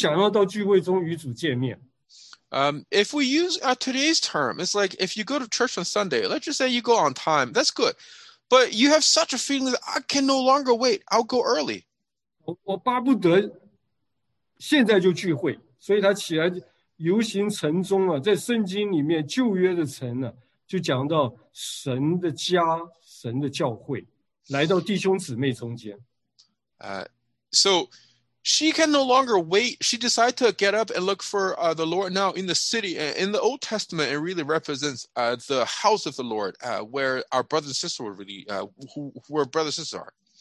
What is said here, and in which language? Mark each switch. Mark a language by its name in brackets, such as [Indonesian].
[Chinese] 用今天的话来讲呢，我们本来的聚会，啊，我按时来聚会就好了。但是现在你等不及了，就想要到聚会中与主见面。 [English] If we use today's term, it's like if you go to church on Sunday, let's just say you go on time, that's good. But you have such a feeling that I can no longer wait. I'll go early. [Chinese] 我巴不得现在就聚会。所以他起来游行城中啊，在圣经里面旧约的城呢，就讲到神的家、神的教会，来到弟兄姊妹中间。 [English] So she can no longer wait. She decided to get up and look for the Lord now in the city. In the Old Testament, it really represents the house of the Lord, where our brothers and sisters were really, where brothers and sisters are.